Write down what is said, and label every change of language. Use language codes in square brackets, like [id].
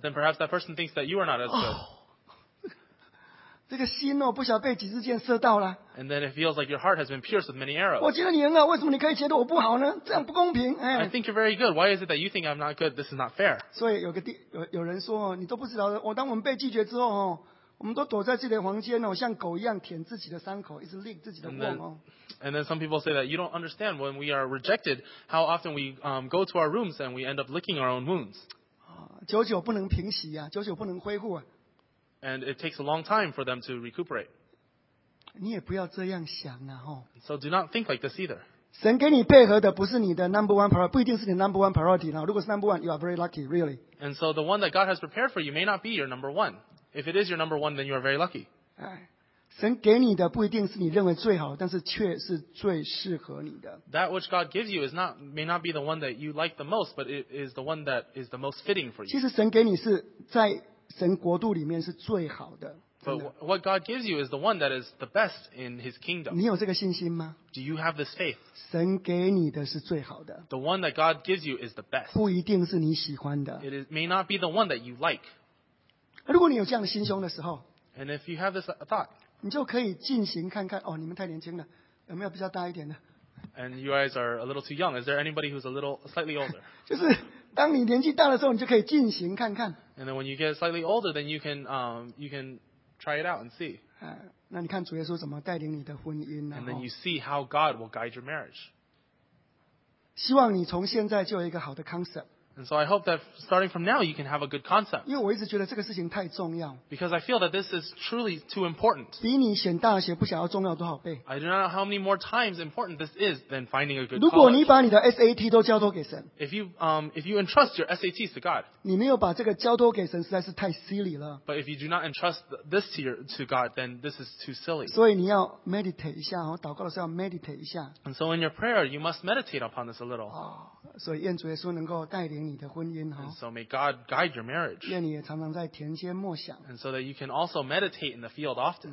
[en] then perhaps that person thinks that you are not as good. [zh] 这个心哦，不晓被几支箭射到了。And [en] then it feels like your heart has been pierced with many arrows. [zh] 我觉得你很好，为什么你可以觉得我不好呢？这样不公平，哎。I [en] think you're very good. Why is it that you think I'm not good? This is not fair. [zh] 所以有个地有人说哦，你都不知道，我当我们被拒绝之后哦，我们都躲在自己的房间哦，像狗一样舔自己的伤口，一直拧自己的窝哦。And [en] then some people say that you don't understand when we are rejected, how often we go to our rooms and we end up licking our own wounds. [zh] 久久不能平息啊，久久不能恢复啊。 [en] And it takes a long time for them to recuperate. [zh] 你也不要这样想啊，吼。So [en] do not think like this either. [zh] 神给你配合的不是你的 [en] number one priority, [zh] 不一定是你的 number one priority. 如果是 [en] number one, you are very lucky, really. And so the one that God has prepared for you may not be your number one. If it is your number one, then you are very lucky. [zh] 神给你的不一定是你认为最好的，但是却是最适合你的。 [en] That which God gives you is not may not be the one that you like the most, but it is the one that is the most fitting for you. [zh] 其实神给你是在 神国度里面是最好的。But [en] what God gives you is the one that is the best in His kingdom. [zh] 你有这个信心吗? [en] Do you have this faith? [zh] 神给你的是最好的。The [en] one that God gives you is the best. [zh] 不一定是你喜欢的。It [en] may not be the one that you like. [zh] 如果你有这样的心胸的时候, [en] and if you have this thought, [zh] 你就可以进行看看，哦，你们太年轻了，有没有比较大一点的？ [en] And you guys are a little too young. Is there anybody who's a little slightly older? [zh] 就是当你年纪大的时候，你就可以进行看看。 [en] And then when you get slightly older, then you can try it out and see. [zh] 那你看主耶稣怎么带领你的婚姻呢? [en] And then you see how God will guide your marriage. [zh] 希望你从现在就有一个好的 concept. [en] And so I hope that starting from now, you can have a good concept. [zh] 因为我一直觉得这个事情太重要。 [en] Because I feel that this is truly too important. [zh] 比你选大学不想要重要多少倍。 [en] I don't know how many more times important this is than finding a good [zh] college. 如果你把你的 SAT 都交托给神。 [en] If you entrust your SATs to God. [zh] 你没有把这个交托给神实在是太 silly 了。 [en] But if you do not entrust this to God, then this is too silly. [zh] 所以你要 meditate 一下，祷告的时候要 meditate 一下。 [en] And so in your prayer, you must meditate upon this a little. [zh] 所以愿主耶稣能够带领你的婚姻。 [en] And so may God guide your marriage. [zh] 愿你也常常在田间默想。 [en] And so that you can also meditate in the field often.